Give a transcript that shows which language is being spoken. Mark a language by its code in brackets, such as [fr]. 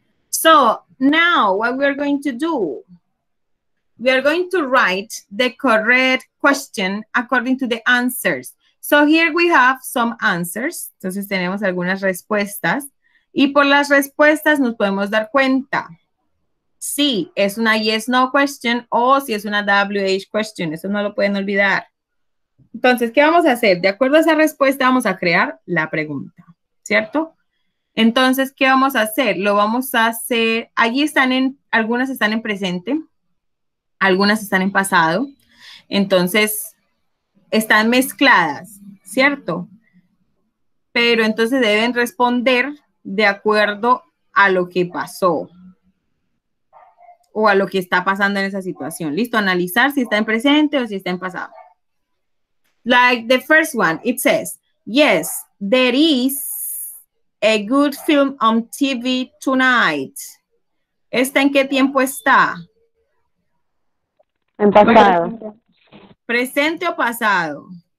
[en] So now what we are going to do, we are going to write the correct question according to the answers. So here we have some answers. [es] Entonces tenemos algunas respuestas. Y por las respuestas nos podemos dar cuenta si es una yes, no question o si es una WH question. Eso no lo pueden olvidar. Entonces, ¿qué vamos a hacer? De acuerdo a esa respuesta vamos a crear la pregunta, ¿cierto? Entonces, ¿qué vamos a hacer? Lo vamos a hacer, allí están en, algunas están en presente, algunas están en pasado. Entonces, están mezcladas, ¿cierto? Pero entonces deben responder de acuerdo a lo que pasó o a lo que está pasando en esa situación. ¿Listo? Analizar si está en presente o si está en pasado. [en] Like the first one, it says, yes, there is a good film on TV tonight. [es] ¿Está en qué tiempo está? En pasado. ¿Presente o pasado?